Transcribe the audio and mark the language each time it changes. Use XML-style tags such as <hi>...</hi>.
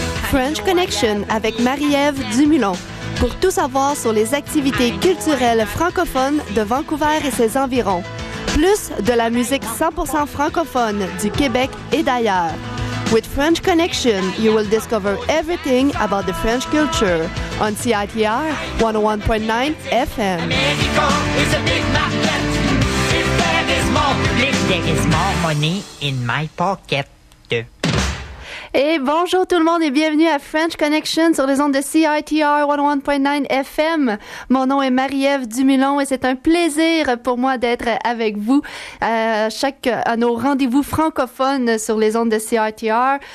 <fr>French Connection avec Marie-Ève Dumoulin pour tout savoir sur les activités culturelles francophones de Vancouver et ses environs, plus de la musique 100% francophone du Québec et d'ailleurs.</fr> <en>With French Connection, you will discover everything about the French culture on CITR 101.9 FM. America is a big market. If there is more, if there is more money in my pocket.</en> <fr>Et bonjour tout le monde et bienvenue à French Connection sur les ondes de CITR 101.9 FM. Mon nom est Marie-Ève Dumoulin et c'est un plaisir pour moi d'être avec vous à nos rendez-vous francophones sur les ondes de CITR.</fr>